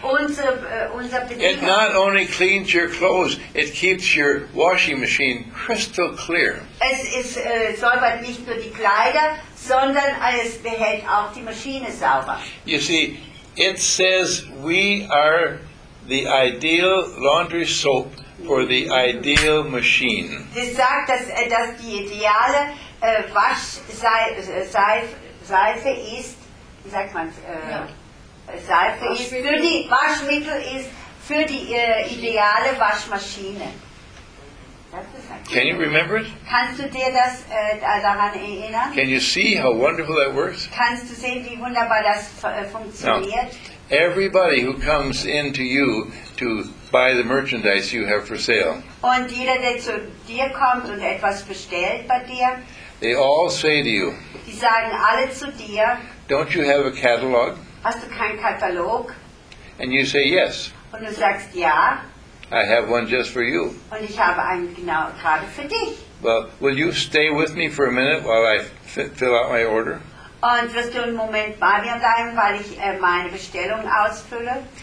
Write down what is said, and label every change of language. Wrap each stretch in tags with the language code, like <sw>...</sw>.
<en>It not only cleans your clothes, it keeps your washing machine crystal clear.</en> <de>Es ist säubert nicht nur die Kleider, sondern es behält auch die Maschine sauber.</de> <en>You see, it says we are the ideal laundry soap for the ideal machine.</en> <de>Das sagt, dass die ideale Waschseife ist. Waschmittel ist für die ideale Waschmaschine.</de> <en>Can you remember it?</en> <de>Kannst du dir das daran erinnern?</de> <en>Can you see how wonderful that works?</en> <de>Kannst du sehen, wie wunderbar das funktioniert? No.</de> <en>Everybody who comes into you to buy the merchandise you have for sale.</en> <de>Und jeder, der zu dir kommt und etwas bestellt bei dir.</de> <en>They all say to you.</en> <de>Die sagen alle zu dir.</de> <en>Don't you have a catalog?</en> <de>Hast du keinen Katalog?</de> <en>And you say yes.</en> <de>Und du sagst ja.</de> <en>I have one just for you.</en> <de>Und ich habe einen genau gerade für dich.</de> <en>Well, will you stay with me for a minute while I fill out my order?</en> <de>Und wirst du einen Moment bei mir bleiben, weil ich meine Bestellung ausfülle?</de>